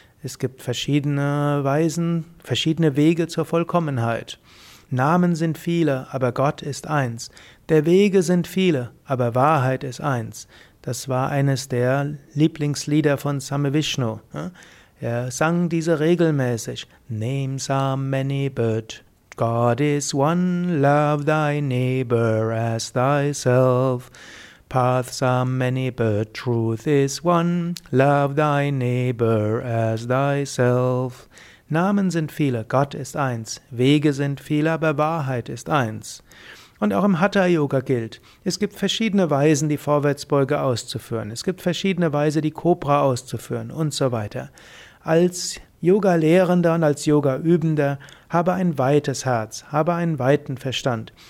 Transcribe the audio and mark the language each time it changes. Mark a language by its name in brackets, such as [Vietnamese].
[German] Es gibt verschiedene Weisen, verschiedene Wege zur Vollkommenheit. Namen sind viele, aber Gott ist eins. Der Wege sind viele, aber Wahrheit ist eins. Das war eines der Lieblingslieder von Swami Vishnu. Er sang diese regelmäßig. [English] Names are many, but God is one. Love thy neighbor as thyself. Paths are many, but truth is one. Love thy neighbor as thyself. [German] Namen sind viele, Gott ist eins. Wege sind viele, aber Wahrheit ist eins. Und auch im Hatha-Yoga gilt, es gibt verschiedene Weisen, die Vorwärtsbeuge auszuführen. Es gibt verschiedene Weise, die Kobra auszuführen und so weiter. Als Yoga-Lehrender und als Yoga-Übender habe ein weites Herz, habe einen weiten Verstand.